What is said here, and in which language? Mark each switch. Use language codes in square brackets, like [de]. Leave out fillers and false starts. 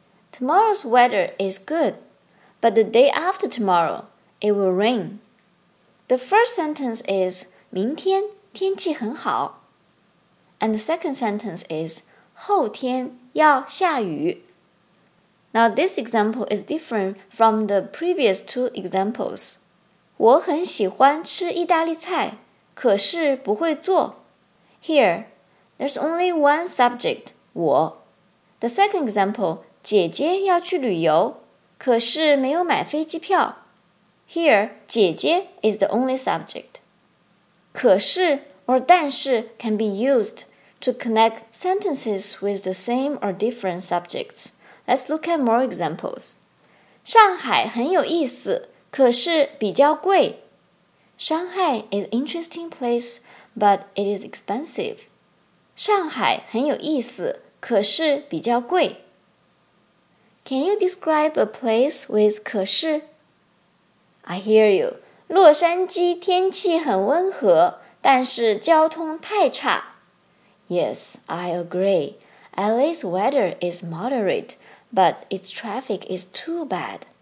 [en] Tomorrow's weather is good, but the day after tomorrow, it will rain. The first sentence is [zh] 明天天气很好。 [en] And the second sentence is [zh] 后天要下雨。 [en] Now this example is different from the previous two examples. [zh] 我很喜欢吃意大利菜，可是不会做。 [en] Here,There's only one subject, 我. The second example, [zh] 姐姐要去旅游，可是没有买飞机票。 [en] Here, 姐姐 is the only subject. [zh] 可是 or 但是 [en] can be used to connect sentences with the same or different subjects. Let's look at more examples. [zh] 上海很有意思，可是比较贵。 [en] Shanghai is an interesting place, but it is expensive. [zh] 上海很有意思，可是比较贵。 [en] Can you describe a place with 可是? I hear you. [zh] 洛杉矶天气很温和，但是交通太差。 [en] Yes, I agree. LA's weather is moderate, but its traffic is too bad.